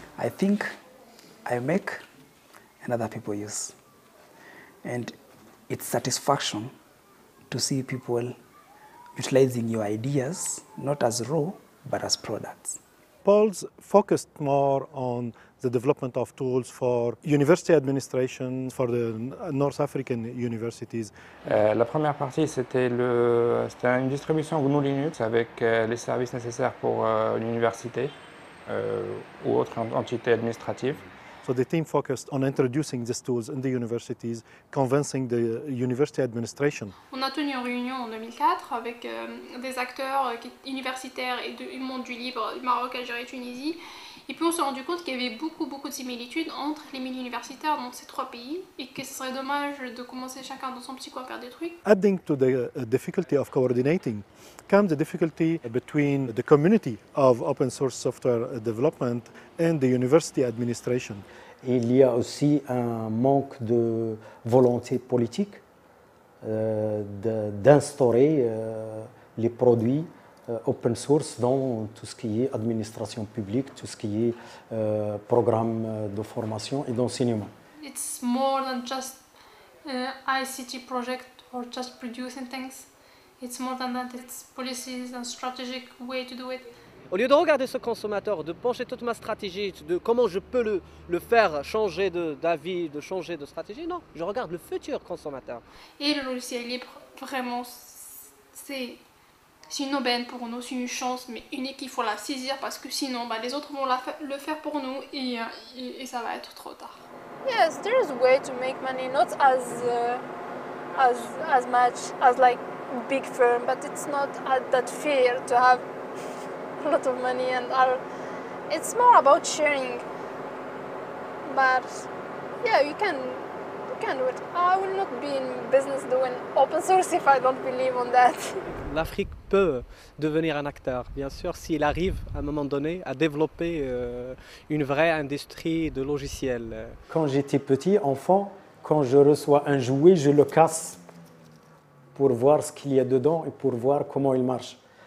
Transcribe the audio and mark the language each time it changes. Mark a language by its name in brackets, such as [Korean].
[English] I think I make and other people use. And it's satisfaction to see people utilizing your ideas, not as raw, but as products. POLLES focused more on the development of tools for university administration, for the North African universities. [French] La première partie, c'était une distribution GNU Linux avec les services nécessaires pour l'université ou autre entité administrative. [English] So the team focused on introducing these tools in the universities, convincing the university administration. [French] On a tenu une réunion en 2004 avec des acteurs universitaires et du monde du livre, Maroc, Algérie, Tunisie. Et puis on s'est rendu compte qu'il y avait beaucoup de similitudes entre les milieux universitaires dans ces trois pays et que ce serait dommage de commencer chacun dans son petit coin à faire des trucs. [English] Adding to the difficulty of coordinating comes the difficulty between the community of open source software development and the university administration. [French] Il y a aussi un manque de volonté politique d'instaurer les produits open source dans tout ce qui est administration publique, tout ce qui est programme de formation et d'enseignement. [English] It's more than just ICT project or just producing things. It's more than that. It's policies and strategic way to do it. [French] Au lieu de regarder ce consommateur, de pencher toute ma stratégie, de comment je peux le faire changer d'avis, de changer de stratégie, non, je regarde le futur consommateur. Et le logiciel libre, vraiment, c'est une aubaine pour nous, c'est une chance, mais unique, il faut la saisir parce que sinon, bah, les autres vont le faire pour nous et ça va être trop tard. [English] Yes, there is a way to make money, not as much as like big firm, but it's not that fair to have a lot of money and it's more about sharing. But yeah, you can do it. I will not be in business doing open source if I don't believe on that. [French] L'Afrique peut devenir un acteur, bien sûr, s'il arrive à un moment donné à développer une vraie industrie de logiciels. Quand j'étais petit, enfant, quand je reçois un jouet, je le casse pour voir ce qu'il y a dedans et pour voir comment il marche.